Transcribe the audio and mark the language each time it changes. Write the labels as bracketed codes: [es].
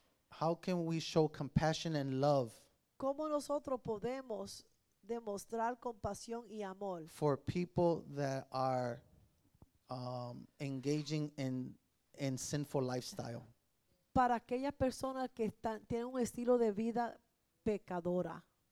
[en] how can we show compassion and love? [es] ¿Cómo nosotros podemos demostrar compasión y amor? [en] For people that are engaging in sinful lifestyle. [es] Para aquellas personas que tienen un estilo de vida pecadora.